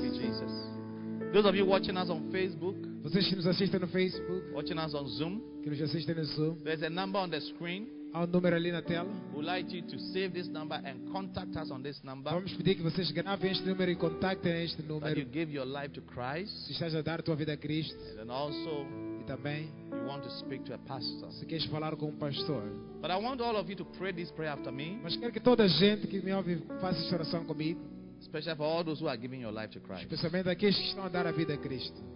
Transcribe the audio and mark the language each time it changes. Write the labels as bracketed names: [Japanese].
[English] Thank you, Jesus. Those of you watching us on Facebook, [Portuguese] Vocês que nos assistem no Facebook, [English] watching us on Zoom, [Portuguese] que nos assistem no Zoom, [English] there's a number on the screen. [Portuguese] Há número ali na tela. [English] We'd like you to save this number and contact us on this number. [Portuguese] Vamos pedir que vocês gravem este número e contactem este número. [English] That you give your life to Christ. [Portuguese] Se estás a dar tua vida a Cristo. [English] And then also, [Portuguese] e também, [English] you want to speak to a pastor. [Portuguese] Se queres falar com um pastor. [English] But I want all of you to pray this prayer after me. [Portuguese] Mas quero que toda a gente que me ouve faça esta oração comigo. [English] Especially for all those who are giving your life to Christ. [Portuguese] Especialmente aqueles que estão a dar a vida a Cristo.